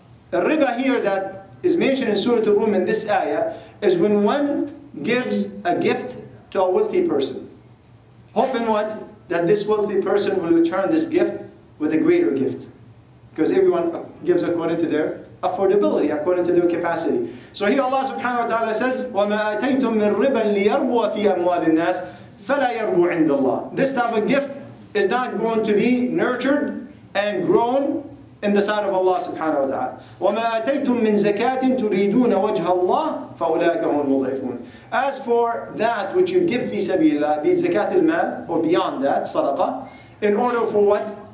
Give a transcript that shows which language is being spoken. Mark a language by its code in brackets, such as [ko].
[en] The riba here that is mentioned in Surah Al-Rum in this ayah is when one gives a gift to a wealthy person, hoping what? That this wealthy person will return this gift with a greater gift. Because everyone gives according to their affordability, according to their capacity. So here Allah subhanahu wa ta'ala says, [ar] وَمَا أَتَيْتُم مِن رِبًا لِيَرْبُوَ فِي أَمْوَالِ النَّاسِ فَلَا يَرْبُوا عِنْدَ اللَّهِ [en] This type of gift is not going to be nurtured and grown in the sight of Allah subhanahu wa ta'ala. [ar] وَمَا أَتَيْتُم مِّن زَكَاةٍ تُرِيدُونَ وَجْهَ اللَّهِ فَأُولَٰئِكَ هُمُ الْمُضْعِفُونَ [en] As for that which you give fi sabilillah, be it zakat al-mal, or beyond that, sadaqah, in order for what?